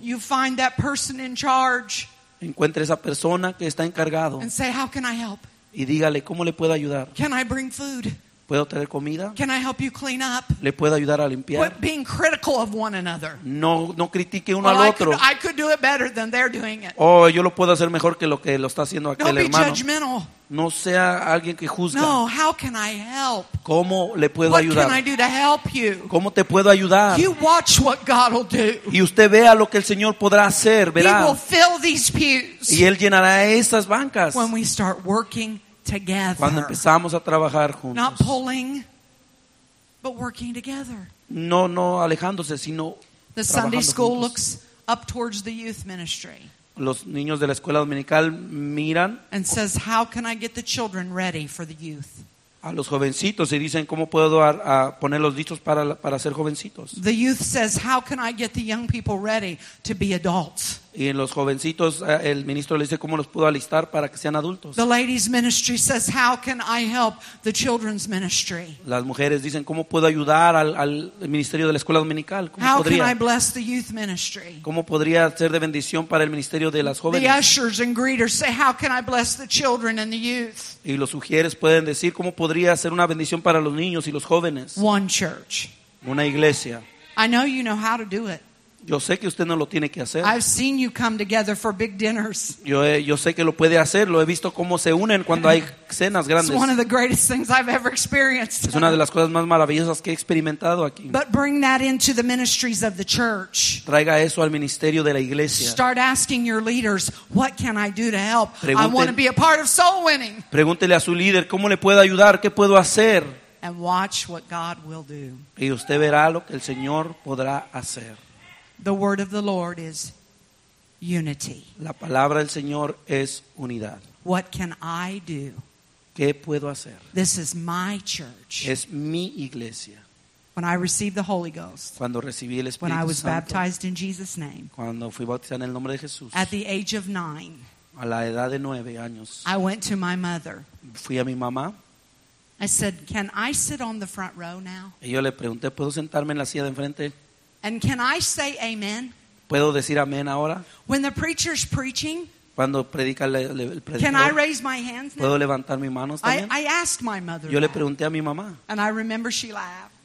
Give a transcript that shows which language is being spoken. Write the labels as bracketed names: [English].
[English] you find that person in charge, [Spanish] encuentre esa persona que está encargado [English] and say, how can I help? [Spanish] Y dígale, ¿cómo le puedo ayudar? [English] Can I bring food? [Spanish] ¿Puedo traer comida? [English] Can I help you clean up? [Spanish] ¿Le puedo ayudar a limpiar? [English] Quit being critical of one another. [Spanish] No critique uno [English] well, [Spanish] al otro. [English] I could do it better than they're doing it. [Spanish] Oh, yo lo puedo hacer mejor que lo que lo está haciendo aquel [English] no, [Spanish] hermano. [English] Be judgmental. [Spanish] No sea alguien que juzga. [English] No, how can I help? [Spanish] ¿Cómo le puedo [English] what [Spanish] ayudar? [English] Can I do to help you? [Spanish] ¿Cómo te puedo ayudar? [English] You watch what God will do. [Spanish] Y usted vea lo que el Señor podrá hacer, verá. [English] He will fill these pews. [Spanish] Y Él llenará esas bancas. [English] When we start working together. [Spanish] Cuando empezamos a trabajar juntos. [English] Not pulling, but working together. [Spanish] No alejándose, sino [English] the Sunday school [Spanish] juntos. [English] Looks up towards the youth ministry. [Spanish] Los niños de la escuela dominical miran [English] and says, how can I get the children ready for the youth? [Spanish] A los jovencitos y dicen, ¿cómo puedo a ponerlos listos para ser jovencitos? [English] The youth says, how can I get the young people ready to be adults? [Spanish] Y en los jovencitos el ministro le dice, ¿cómo los puedo alistar para que sean adultos? [English] The ladies ministry says, how can I help the children's ministry? [Spanish] Las mujeres dicen, ¿cómo puedo ayudar al ministerio de la escuela dominical? ¿Cómo [English] how [Spanish] podría? [English] Can I bless the youth ministry? [Spanish] ¿Cómo podría ser de bendición para el ministerio de las jóvenes? [English] The ushers and greeters say, how can I bless the children and the youth? [Spanish] Y los ujieres pueden decir, ¿cómo podría ser una bendición para los niños y los jóvenes? [English] One church. [Spanish] Una iglesia. [English] I know you know how to do it. [Spanish] Yo sé que usted no lo tiene que hacer. [English] I've seen you come together for big dinners. [Spanish] Yo sé que lo puede hacer. Lo he visto cómo se unen cuando hay cenas grandes. [English] It's one of the greatest things I've ever experienced. [Spanish] Es una de las cosas más maravillosas que he experimentado aquí. [English] But bring that into the ministries of the church. [Spanish] Traiga eso al ministerio de la iglesia. [English] Start asking your leaders, what can I do to help? I want to be a part of soul winning. [Spanish] Pregúntele a su líder, ¿cómo le puedo ayudar? ¿Qué puedo hacer? [English] And watch what God will do. [Spanish] Y usted verá lo que el Señor podrá hacer. [English] The word of the Lord is unity. [Spanish] La palabra del Señor es unidad. [English] What can I do? [Spanish] ¿Qué puedo hacer? [English] This is my church. [Spanish] Es mi iglesia. [English] When I received the Holy Ghost. [Spanish] Cuando recibí el Espíritu [English] Santo. When I was [Spanish] Santo, [English] baptized in Jesus' name. [Spanish] Cuando fui bautizado en el nombre de Jesús. [English] At the age of 9. [Spanish] A la edad de 9 años. [English] I went to my mother. [Spanish] Fui a mi mamá. [English] I said, "Can I sit on the front row now?" [Spanish] Y yo le pregunté, ¿puedo sentarme en la silla de enfrente? [English] And can I say amen? [Spanish] ¿Puedo decir amén ahora? [English] When the preacher's preaching, [Spanish] Cuando predica el predicador. [English] Can I raise my hands now? [Spanish] ¿Puedo levantar mis manos también? [English] I asked my mother. [Spanish] Yo le pregunté a mi mamá. [English] And I remember she laughed.